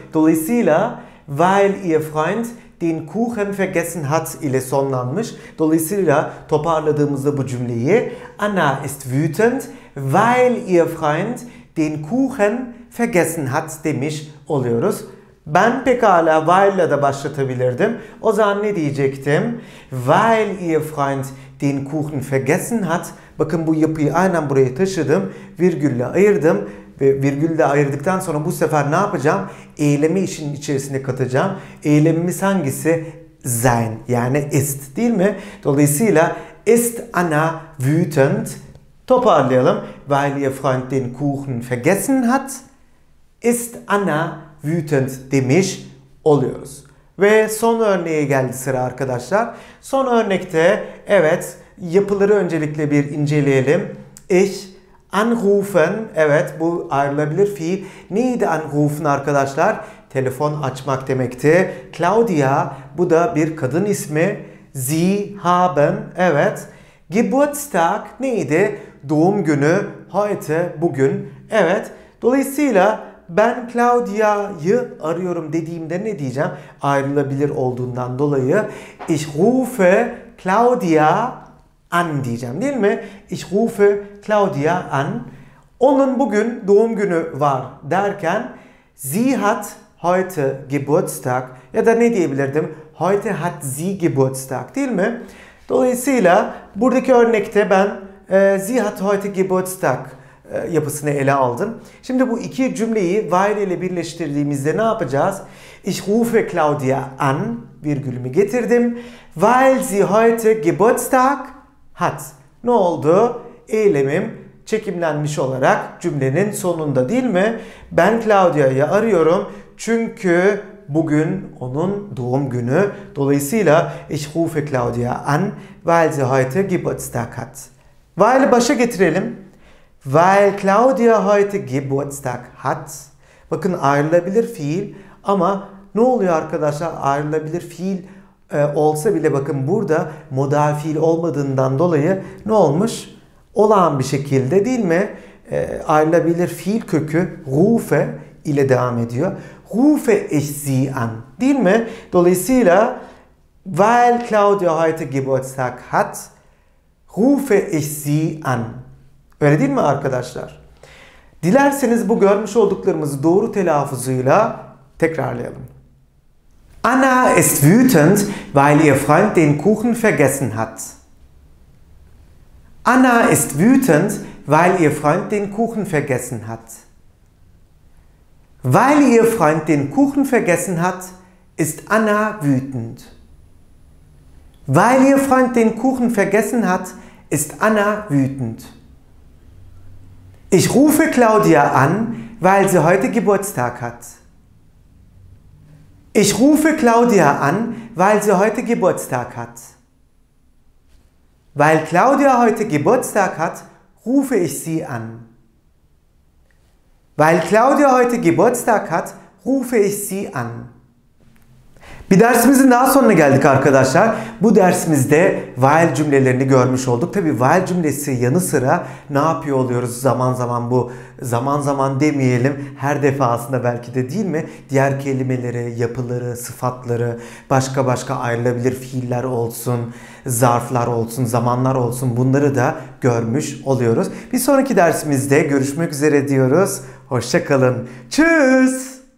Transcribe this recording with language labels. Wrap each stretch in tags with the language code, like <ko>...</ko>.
<tr>Dolayısıyla</tr> <de>weil ihr Freund den Kuchen vergessen hat</de> <tr>ile sonlanmış. Dolayısıyla toparladığımızda bu cümleyi</tr> <de>Anna ist wütend, weil ihr Freund den Kuchen vergessen hat</de> <tr>demiş oluyoruz. Ben pekala weil ile de başlatabilirdim. O zaman ne diyecektim?</tr> <de>Weil ihr Freund den Kuchen vergessen hat.</de> <tr>Bakın bu yapıyı aynen buraya taşıdım. Virgülle ayırdım. Ve virgülle ayırdıktan sonra bu sefer ne yapacağım? Eylemi işin içerisine katacağım. Eylemimiz hangisi? Sein. Yani ist. Değil mi?</tr> <de>Dolayısıyla ist Anna wütend.</de> <tr>Toparlayalım.</tr> <de>Weil ihr Freund den Kuchen vergessen hat. Ist Anna wütend</de> <tr>demiş oluyoruz. Ve son örneğe geldi sıra arkadaşlar. Son örnekte evet yapıları öncelikle bir inceleyelim.</tr> <de>Ich anrufen,</de> <tr>evet bu ayrılabilir fiil. Neydi anrufen arkadaşlar? Telefon açmak demekti. Claudia, bu da bir kadın ismi.</tr> <de>Sie haben,</de> <tr>evet. Geburtstag, neydi? Doğum günü, heute, bugün, evet. Dolayısıyla ben Claudia'yı arıyorum dediğimde ne diyeceğim? Ayrılabilir olduğundan dolayı.</tr> <de>Ich rufe Claudia an</de> <tr>diyeceğim değil mi?</tr> <de>Ich rufe Claudia an.</de> <tr>Onun bugün doğum günü var derken</tr> <de>Sie hat heute Geburtstag</de> <tr>ya da ne diyebilirdim?</tr> <de>Heute hat sie Geburtstag</de> <tr>değil mi? Dolayısıyla buradaki örnekte ben</tr> <de>sie hat heute Geburtstag</de> <tr>yapısını ele aldım. Şimdi bu iki cümleyi weil ile birleştirdiğimizde ne yapacağız?</tr> <de>Ich rufe Claudia an,</de> <tr>virgülümü getirdim.</tr> <de>Weil sie heute Geburtstag hat.</de> <tr>Ne oldu? Eylemim çekimlenmiş olarak cümlenin sonunda değil mi? Ben Claudia'yı arıyorum çünkü bugün onun doğum günü. Dolayısıyla</tr> <de>ich rufe Claudia an, weil sie heute Geburtstag hat.</de> <tr>Weil'i başa getirelim.</tr> <de>Weil Claudia heute Geburtstag hat.</de> <tr>Bakın ayrılabilir fiil ama ne oluyor arkadaşlar? Ayrılabilir fiil olsa bile bakın burada modal fiil olmadığından dolayı ne olmuş? Olağan bir şekilde değil mi? Ayrılabilir fiil kökü rufe ile devam ediyor.</tr> <de>Rufe ich sie an.</de> <tr>Değil mi? Dolayısıyla</tr> <de>weil Claudia heute Geburtstag hat, rufe ich sie an.</de> <tr>Öyle değil mi arkadaşlar? Dilerseniz bu görmüş olduklarımızı doğru telaffuzuyla tekrarlayalım.</tr> <de>Anna ist wütend, weil ihr Freund den Kuchen vergessen hat. Anna ist wütend, weil ihr Freund den Kuchen vergessen hat. Weil ihr Freund den Kuchen vergessen hat, ist Anna wütend. Weil ihr Freund den Kuchen vergessen hat, ist Anna wütend. Ich rufe Claudia an, weil sie heute Geburtstag hat. Ich rufe Claudia an, weil sie heute Geburtstag hat. Weil Claudia heute Geburtstag hat, rufe ich sie an. Weil Claudia heute Geburtstag hat, rufe ich sie an.</de> <tr>Bir dersimizin daha sonuna geldik arkadaşlar. Bu dersimizde while cümlelerini görmüş olduk. Tabii while cümlesi yanı sıra ne yapıyor oluyoruz zaman zaman bu zaman zaman demeyelim. Her defasında belki de değil mi? Diğer kelimeleri, yapıları, sıfatları, başka başka ayrılabilir fiiller olsun, zarflar olsun, zamanlar olsun bunları da görmüş oluyoruz. Bir sonraki dersimizde görüşmek üzere diyoruz. Hoşça kalın. Tschüss.</tr>